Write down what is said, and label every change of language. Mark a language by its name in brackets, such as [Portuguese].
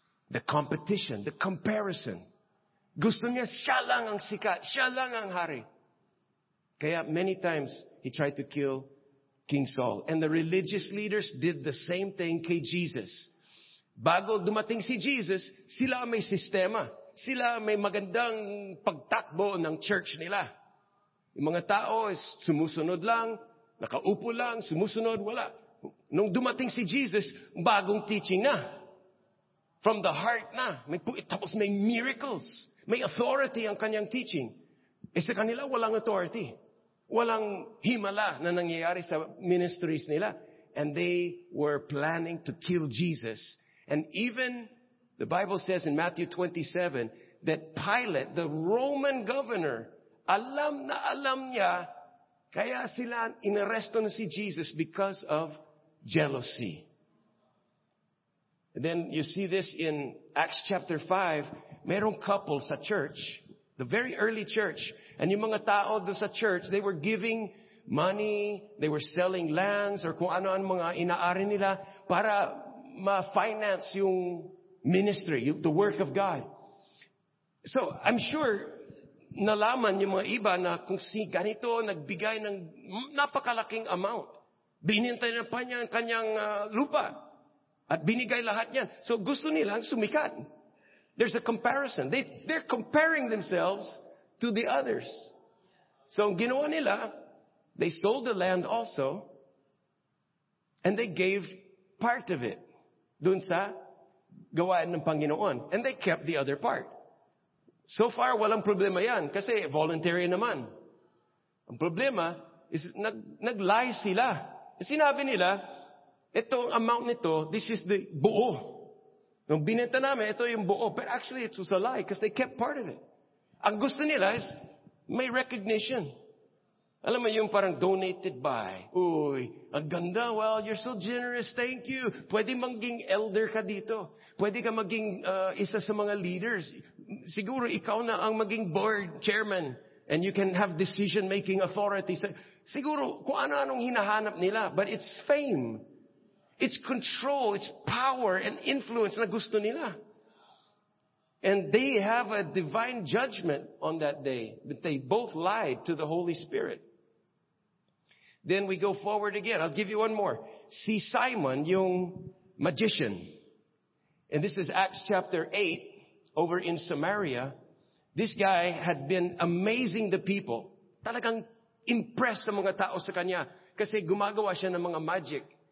[English] The competition, the comparison. [Filipino] Gusto niya, siya lang ang sikat, siya lang ang hari. [English] Kaya many times he tried to kill King Saul. And the religious leaders did the same thing kay Jesus. [Filipino] Bago dumating si Jesus, sila may sistema. Sila may magandang pagtakbo ng church nila. Yung mga tao is sumusunod lang, nakaupo lang, sumusunod, wala. Nung dumating si Jesus, bagong teaching na. [English] From the heart [Filipino] na. Tapos may miracles. May authority ang kanyang teaching. E sa kanila, walang authority. Walang himala na nangyayari sa ministries nila. [English] And they were planning to kill Jesus. And even the Bible says in Matthew 27 that Pilate, the Roman governor, [Filipino] alam na alam niya, kaya sila inaresto na si Jesus [English] because of jealousy. And then you see this in Acts chapter 5. [Filipino] Merong couple sa church, [English] the very early church. And [Filipino] yung mga tao doon sa church, [English] they were giving money, they were selling lands, or [Filipino] kung ano-ano mga inaari nila para ma-finance yung [English] ministry, the work of God. [Filipino] So, I'm sure nalaman yung mga iba na kung si ganito nagbigay ng napakalaking amount. Binintay na pa niya ang kanyang lupa. At binigay lahat niyan. So, gusto nilang sumikat. [English] There's a comparison. They're comparing themselves to the others. [Filipino] So, ang ginawa nila, [English] they sold the land also and they gave part of it [Filipino] dun sa gawain ng Panginoon. [English] And they kept the other part. [Filipino] So far, walang problema yan kasi voluntary naman. Ang problema is nag-lie sila. Sinabi nila, itong amount nito, [English] this is the [Filipino] buo. Nung binenta namin, ito yung buo. [English] But actually, it was a lie because they kept part of it. [Filipino] Ang gusto nila is may [English] recognition. [Filipino] Alam mo, yung parang donated by. Uy, ang ganda. [English] Well, you're so generous. Thank you. [Filipino] Pwede maging elder ka dito. Pwede ka maging isa sa mga leaders. Siguro, ikaw na ang maging board chairman. [English] And you can have decision-making authority. [Filipino] Siguro, kung ano-anong hinahanap nila. [English] But it's fame. It's control, it's power and influence [Filipino] na gusto nila. [English] And they have a divine judgment on that day that they both lied to the Holy Spirit. Then we go forward again. I'll give you one more. See Simon, yung magician. And this is Acts chapter 8 over in Samaria. This guy had been amazing the people. [Filipino] Talagang impressed ang mga tao sa kanya kasi gumagawa siya ng mga magic.